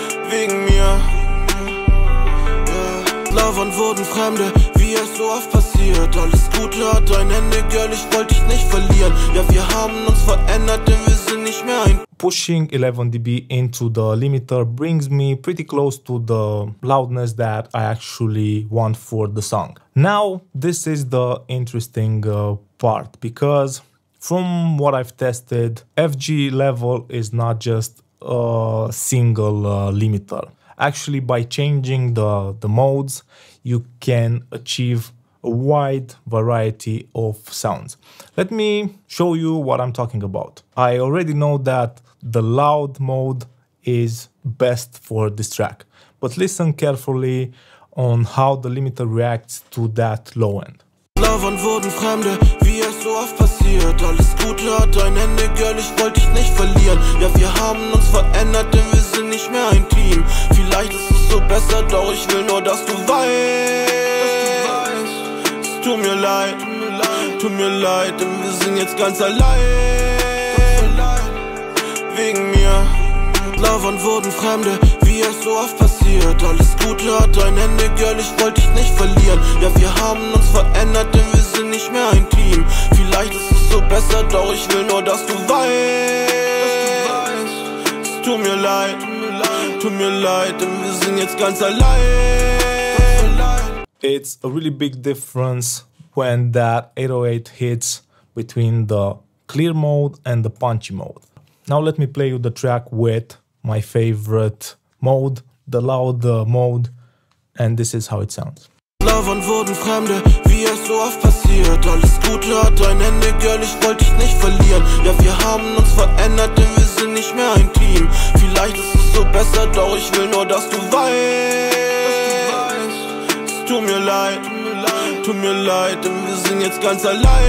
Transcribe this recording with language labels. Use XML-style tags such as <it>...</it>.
<de>Wegen mir. Lovern wurden Fremde, wie es so oft passiert. Alles Gute hat ein Ende, Girl, ich wollte dich nicht verlieren. Ja, wir haben uns verändert, denn wir sind nicht mehr ein.</de> <en>Pushing 11 dB into the limiter brings me pretty close to the loudness that I actually want for the song. Now, this is the interesting part, because from what I've tested, FG level is not just a single limiter. Actually, by changing the modes, you can achieve a wide variety of sounds. Let me show you what I'm talking about. I already know that the loud mode is best for this track, but listen carefully on how the limiter reacts to that low end.</en> <de>Lovern wurden Fremde, wie es so oft passiert. Alles Gute hat ein Ende, Girl, ich wollte dich nicht verlieren. Ja, wir haben uns verändert, denn wir sind nicht mehr ein Team. Vielleicht ist es so besser, doch ich will nur, dass du weißt. Es tut mir leid, tut mir leid, denn wir sind jetzt ganz allein. Wegen mir. Lovern wurden Fremde, wie es so oft passiert. Alles Gute hat ein Ende, Girl, ich wollte dich nicht verlieren. Ja, wir haben uns verändert, denn wir sind nicht mehr ein Team. Vielleicht ist es so besser, doch ich will nur, dass du weißt. Es tut mir leid, tut mir leid, denn wir sind jetzt ganz allein.</de> <en>It's a really big difference when that 808 hits between the clear mode and the punchy mode. Now let me play you the track with my favorite mode, the loud mode, and this is how it sounds.</en> <de>Lovern wurden Fremde, wie es so oft passiert. Alles Gute hat ein Ende, Girl, ich wollte dich nicht verlieren. Ja, wir haben uns verändert, denn wir sind nicht mehr ein Team. Vielleicht ist es so besser, doch ich will nur, dass du weißt. Es tut mir leid, denn wir sind jetzt ganz allein.</de>